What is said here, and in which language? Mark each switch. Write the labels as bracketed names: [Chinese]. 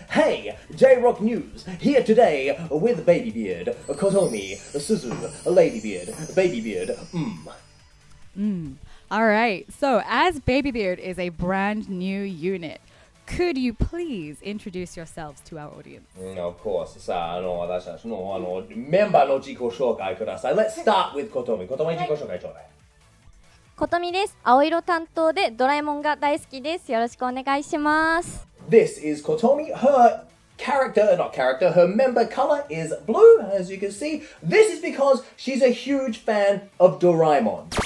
[English] Hey, J-Rock News, here today with Baby Beard, Kotomi, Suzu, Lady Beard, Baby Beard, All right, so as Baby Beard is a brand new unit, could you please introduce yourselves to our audience? Of course. [Japanese] さあ、私たちの、メンバーの自己紹介ください。 [English] Let's start with Kotomi. Kotomi, [Japanese] 自己紹介ちょうだい。 Kotomi です。青色担当でドラえもんが大好きです。よろしくお願いします。 [English] This is Kotomi. Her character, not character, her member color is blue, as you can see. This is because she's a huge fan of Doraemon.